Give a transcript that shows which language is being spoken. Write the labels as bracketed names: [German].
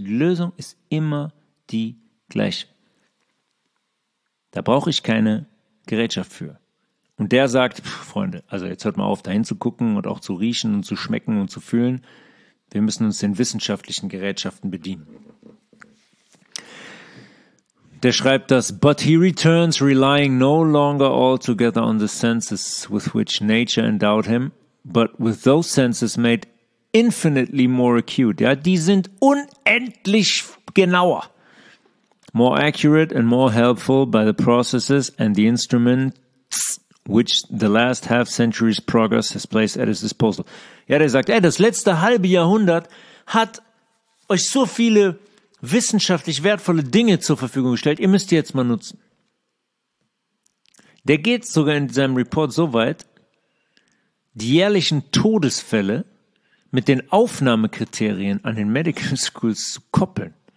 [German] Die Lösung ist immer die gleiche. Da brauche ich keine Gerätschaft für. Und der sagt, Freunde, also jetzt hört mal auf, dahin zu gucken und auch zu riechen und zu schmecken und zu fühlen. Wir müssen uns den wissenschaftlichen Gerätschaften bedienen. Der schreibt das, [English] but he returns relying no longer altogether on the senses with which nature endowed him, but with those senses made infinitely more acute. [German] Ja, die sind unendlich genauer. [English] More accurate and more helpful by the processes and the instruments which the last half century's progress has placed at his disposal. [German] Ja, der sagt, ey, das letzte halbe Jahrhundert hat euch so viele wissenschaftlich wertvolle Dinge zur Verfügung gestellt, ihr müsst die jetzt mal nutzen. Der geht sogar in seinem Report so weit, die jährlichen Todesfälle mit den Aufnahmekriterien an den Medical Schools zu koppeln.